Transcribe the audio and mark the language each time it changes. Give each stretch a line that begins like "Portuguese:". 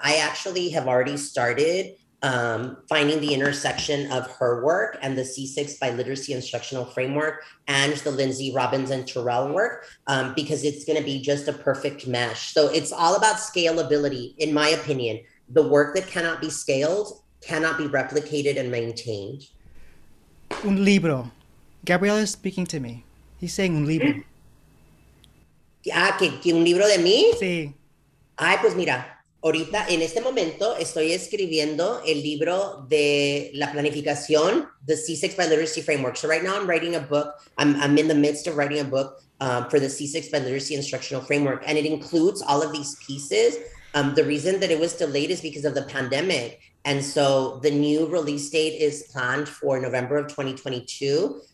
English: I actually have already started finding the intersection of her work and the C6 by Literacy Instructional Framework and the Lindsay Robbins and Terrell work, because it's gonna be just a perfect mesh. So it's all about scalability, in my opinion. The work that cannot be scaled cannot be replicated and maintained.
Spanish: Un libro.
English: Gabriel is speaking to me. He's saying
Spanish: un libro. Ah, ¿que un libro de mí? Sí. Ay, pues mira, ahorita, en este momento, estoy escribiendo el libro de la planificación,
English: the C6 by Literacy Framework. So right now I'm writing a book, I'm in the midst of writing a book for the C6 by Literacy Instructional Framework, and it includes all of these pieces. The reason that it was delayed is because of the pandemic. And so the new release date is planned for November of 2022.